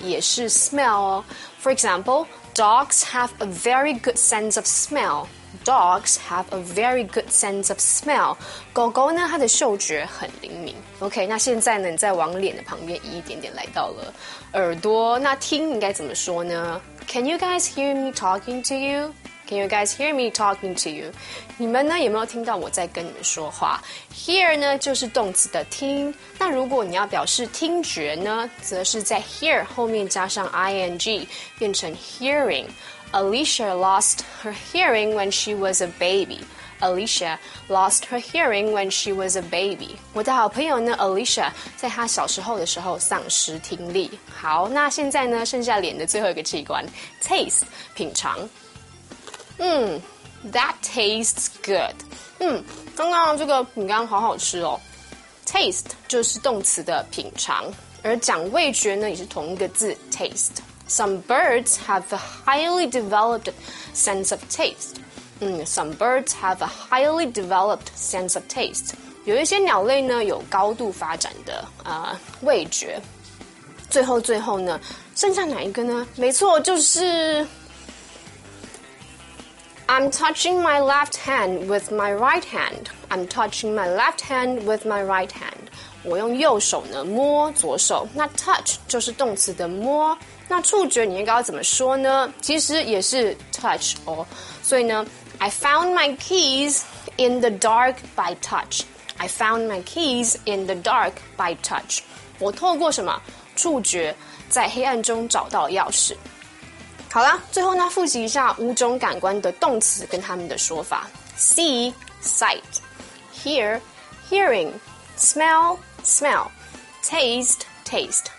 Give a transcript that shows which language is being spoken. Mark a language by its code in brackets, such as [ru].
[zh] 也是 smell 哦。 [en] For example, dogs have a very good sense of smell. Dogs have a very good sense of smell. [zh] 狗狗呢，它的嗅觉很灵敏。OK, 那现在呢，你再往脸的旁边移一点点来到了耳朵。那听应该怎么说呢？ [en] Can you guys hear me talking to you? Can you guys hear me talking to you? [zh] 你们呢，有没有听到我在跟你们说话？ Hear 呢，就是动词的听。那如果你要表示听觉呢，则是在 hear 后面加上 ing, 变成 hearing. [en] Alicia lost her hearing when she was a baby. Alicia lost her hearing when she was a baby. [zh] 我的好朋友呢 ,Alicia, 在她小时候的时候丧失听力。好，那现在呢剩下脸的最后一个器官 ,taste, 品尝。 [en] 嗯 ,that tastes good. [zh] 嗯，刚刚这个饼干好好吃哦。 Taste 就是动词的品尝。而讲味觉呢也是同一个字 ,taste。 [en] Some birds have a highly developed sense of taste. Some birds have a highly developed sense of taste. [zh] 有一些鸟类呢有高度发展的味觉。最后呢，剩下哪一个呢？没错，就是 [en] I'm touching my left hand with my right hand. I'm touching my left hand with my right hand. [zh] 我用右手呢摸左手。那 touch 就是动词的摸。那触觉你应该要怎么说呢？其实也是 touch 哦。所以呢 [en] I found my keys in the dark by touch. I found my keys in the dark by touch. [zh] 我透过什么？触觉在黑暗中找到钥匙。好啦，最后呢复习一下五种感官的动词跟他们的说法。 [en] See, sight. Hear, hearing. Smell, smell. Taste, taste.